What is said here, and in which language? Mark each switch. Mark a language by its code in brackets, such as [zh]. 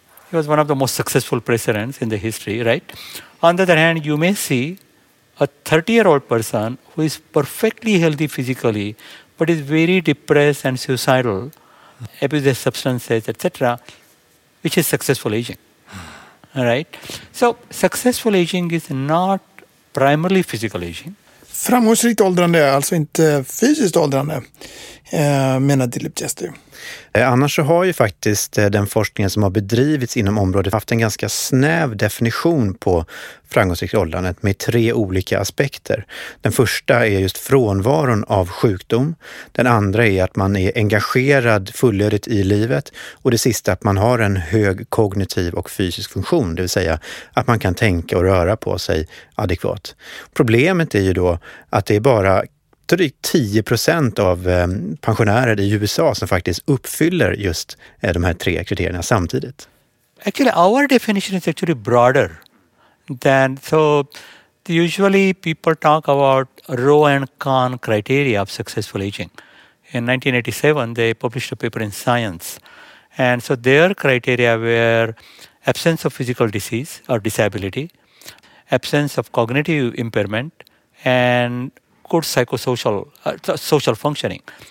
[en] He was one of the most successful presidents in the history, right? On the other hand, you may see a 30-year-old person who is perfectly healthy physically, but is very depressed and suicidal, abuses substances, etc., which is successful aging. All right? So, successful aging is not primarily physical aging. [sv] Framgångsrikt åldrande är alltså inte fysiskt åldrande, menar Dilip Gäste. Annars så har ju faktiskt den forskningen som har bedrivits inom området haft en ganska snäv definition på framgångsrikt åldrandet med tre olika aspekter. Den första är just frånvaron av sjukdom. Den andra är att man är engagerad fullödigt i livet. Och det sista att man har en hög kognitiv och fysisk funktion, det vill säga att man kan tänka och röra på sig adekvat. Problemet är ju då att det är bara drygt 10% av pensionärer i USA som faktiskt uppfyller just de här tre kriterierna samtidigt. [en] Actually, our definition is actually broader than, so usually people talk about row and con criteria of successful aging. In 1987, they published a paper in Science. And so their criteria were absence of physical disease or disability, absence of cognitive impairment, and good psychosocial social functioning.